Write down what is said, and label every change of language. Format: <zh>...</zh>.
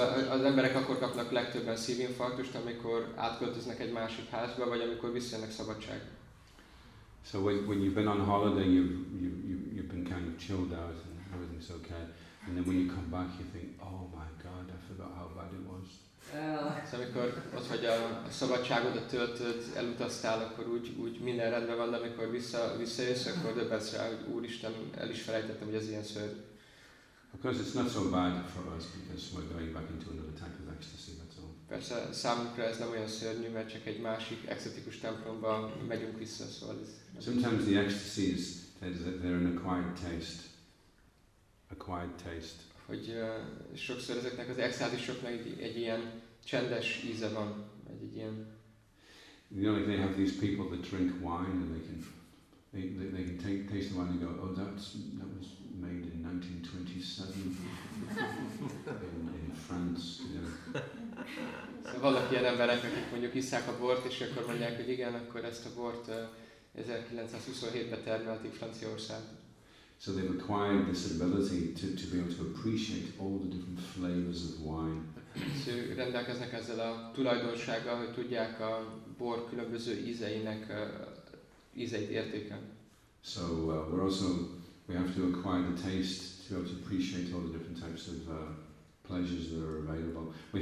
<hu>Az emberek akkor kapnak legtöbben szívinfarktust, amikor átköltöznek egy másik házba, vagy amikor visszajönnek szabadságra.</hu> <en>So when you've been on holiday, you've been kind of chilled out and everything's okay, and then when you come back, you think, oh my God, I forgot how bad it was.</en> <hu>So amikor ott vagy a szabadságodat töltöd, elutaztál, akkor úgy minden rendben van, de amikor visszajössz, akkor döbbensz rá, hogy Úristen, el is felejtettem, hogy ez ilyen szörny.</hu> <en>Of course, it's not so bad for us because we're going back into another type of ecstasy, that's all.</en> <hu>Persze, számunkra ez nem olyan szörnyű, mert csak egy másik extatikus templomba megyünk vissza, szóval ez...</hu> <en>Sometimes the ecstasies, they're an acquired taste. Acquired taste.</en> <hu>Hogy sokszor ezeknek az extázisoknak egy ilyen csendes íze van, egy ilyen...</hu> <en>You know, like they have these people that drink wine and they can taste the wine and go, oh, that was made in 1927 in France, you know.</en> <hu>Szóval vannak ilyen emberek, akik mondjuk isszák a bort, és akkor mondják, hogy igen, akkor ezt a bort 1927-ben termelték Franciaországban.</hu> <en>So they've acquired this ability to be able to appreciate all the different flavors of wine.</en> <hu>So rendelkeznek ezzel a tulajdonsággal, hogy tudják a bor különböző ízeinek ízeit értékelni.</hu> <en>So we have to acquire the taste to be able to appreciate all the different types of pleasures that are available.</en>